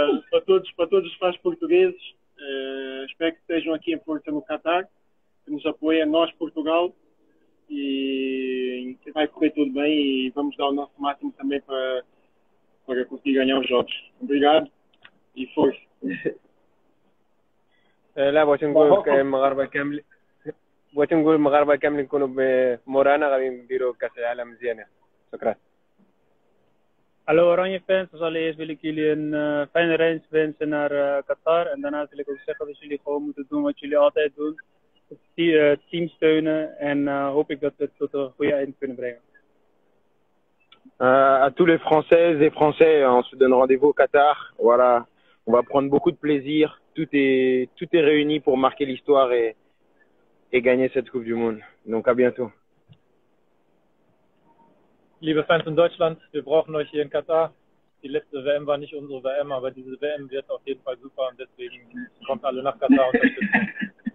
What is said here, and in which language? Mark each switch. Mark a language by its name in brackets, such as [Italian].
[Portuguese] Para todos os fãs portugueses, espero que estejam aqui em Porto, no Qatar. Que nos apoiem, nós, Portugal. E vai correr tudo bem e vamos dar o nosso máximo também para conseguir ganhar os jogos. Obrigado e força. [Arabic] لا بغيت نقول المغاربة كامل بغيت نقول المغاربة كامل نكونوا مورانا غادي نديروا كاس العالم مزيانة. شكرا. [Dutch] Hallo Oranje fans, als allereerst wil ik jullie een fijne reis wensen naar Qatar en daarnaast wil ik ook zeggen dat jullie gewoon moeten doen wat jullie altijd doen. Team steunen en hoop ik dat we het tot een goede eind kunnen brengen. [French] À tous les Françaises et Français, on se donne rendez-vous au Qatar. Voilà, on va prendre beaucoup de plaisir. Tout est réuni pour marquer l'histoire et gagner cette Coupe du Monde. Donc à bientôt. [German] Liebe Fans in Deutschland, wir brauchen euch hier in Qatar. Die letzte WM war nicht unsere WM, aber diese WM wird auf jeden Fall super und deswegen kommt alle nach Qatar und unterstützt.